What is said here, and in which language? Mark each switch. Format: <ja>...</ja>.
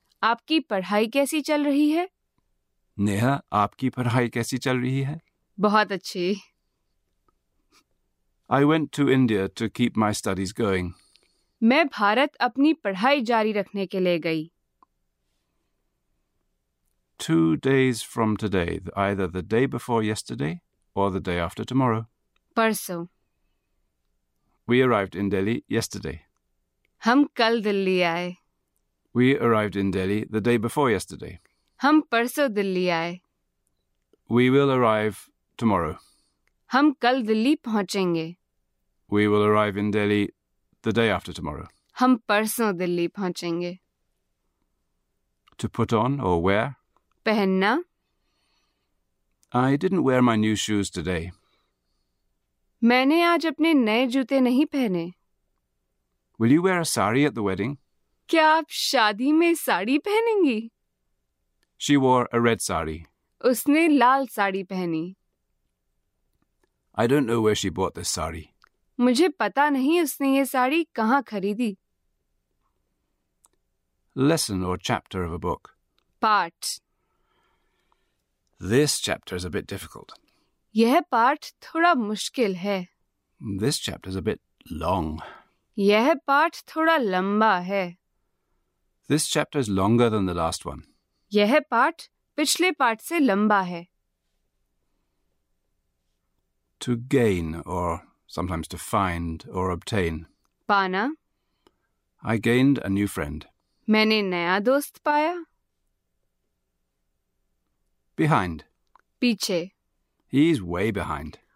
<hi>आपकी पढ़ाई कैसी चल रही है? नेहा आपकी पढ़ाई कैसी चल रही है? बहुत अच्छी.</hi> <en>I went to India to keep my studies going.</en> <hi>मैं भारत अपनी पढ़ाई जारी रखने के लिए गई.</hi> <en>2 days from today, either the day before yesterday or the day after tomorrow.</en> <hi>परसों.</hi> <en>We arrived in Delhi yesterday.</en> <hi>हम कल दिल्ली आए.</hi> <en>We arrived in Delhi the day before yesterday.</en> <hi>हम परसों दिल्ली आए.</hi> <en>We will arrive tomorrow.</en> <hi>हम कल दिल्ली पहुंचेंगे.</hi> <en>We will arrive in Delhi the day after tomorrow.</en> <hi>हम परसों दिल्ली पहुंचेंगे.</hi> <en>To put on or wear.</en> <hi>पहनना.</hi> <en>I didn't wear my new shoes today.</en> <hi>मैंने आज अपने नए जूते नहीं पहने.</hi> <en>Will you wear a sari at the wedding?</en> <hi>क्या आप शादी में sari पहनेंगी?</hi> <en>She wore a red sari.</en> <hi>उसने लाल साड़ी पहनी.</hi> <en>I don't know where she bought this sari.</en> <hi>मुझे पता नहीं उसने ये साड़ी कहाँ खरीदी.</hi> <en>Lesson or chapter of a book.</en> <hi>पाठ.</hi> <en>This chapter is a bit difficult.</en> <hi>यह पाठ थोड़ा मुश्किल है.</hi> <en>This chapter is a bit long.</en> <hi>यह पाठ थोड़ा लंबा है.</hi> <en>This chapter is longer than the last one.</en> <hi>यह पाठ पिछले पाठ से लंबा है.</hi> <en>To gain or sometimes to find or obtain.</en> <hi>पाना.</hi> <en>I gained a new friend.</en> <hi>मैंने नया दोस्त पाया.</hi> <en>Behind.</en> <hi>पीछे.</hi> <en>He's way behind.</en>